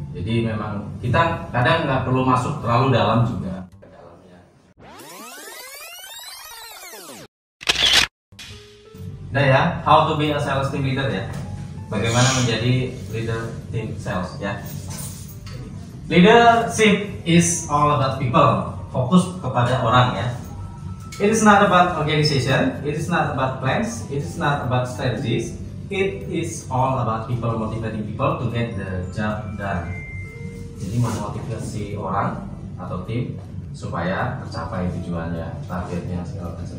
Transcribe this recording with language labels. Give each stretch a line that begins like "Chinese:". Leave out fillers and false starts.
Indonesian: Jadi memang kita kadang nggak perlu masuk terlalu dalam juga ke dalamnya. Nah ya,
English: how to be a sales team leader
Indonesian: ya. Bagaimana menjadi leader team sales ya.
English: Leadership is all about people.
Indonesian: Fokus kepada orang ya.
English: It is not about organization. It is not about plans. It is not about strategies. It is all about people, motivating people to get the job done.
Indonesian: Jadi memotivasi orang atau tim supaya tercapai tujuannya, targetnya segala macam.